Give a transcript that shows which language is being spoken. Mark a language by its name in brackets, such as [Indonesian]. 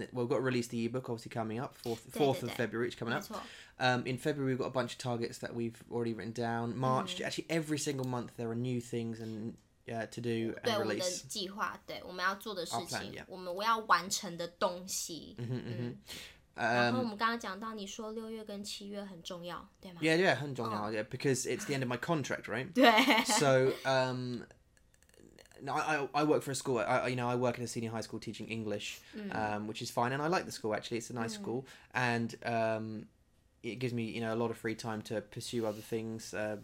[English] We've got to release the ebook obviously coming up, 4th of February, it's coming up. In February, we've got a bunch of targets that we've already written down. March, actually, every single month there are new things and. To do and release. [Chinese] 对我们的计划，对我们要做的事情， [English] plan, yeah. [Chinese] 我们要完成的东西。然后我们刚刚讲到，你说六月跟七月很重要，对吗？Yeah, 很重要。 [English] Yeah, because it's the end of my contract, right? [Chinese] 对。 [English] So, I work for a school. I work in a senior high school teaching English, which is fine, and I like the school. Actually, it's a nice school, and it gives me, you know, a lot of free time to pursue other things.